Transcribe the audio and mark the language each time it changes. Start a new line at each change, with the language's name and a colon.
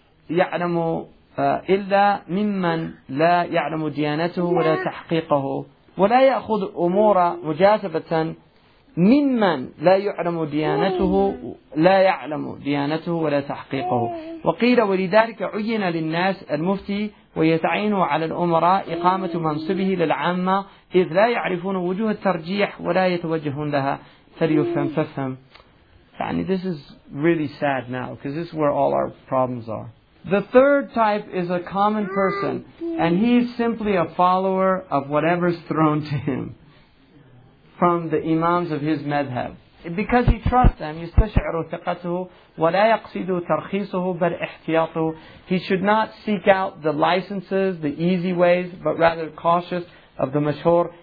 Arabic: يَعْلَمُ إلا ممن لا يعلم ديانته ولا تحقيقه ولا يأخذ أمور مجازفة ممن لا يعلم ديانته لا يعلم ديانته ولا تحقيقه. وقيل ولذلك عين للناس المفتي ويتعين على الأمراء إقامة منصبه للعامة إذ لا يعرفون وجوه الترجيح ولا يتوجهون لها فليفهم ففهم.
English: يعني this is really sad now because this is where all our problems are. The third type is a common person, and he's simply a follower of whatever's thrown to him from the imams of his madhab. Because he trusts them,
Arabic: يستشعر ثقته ولا يقصد ترخيصه بل احتياطه.
English: He should not seek out the licenses, the easy ways, but rather cautious of the mashhur.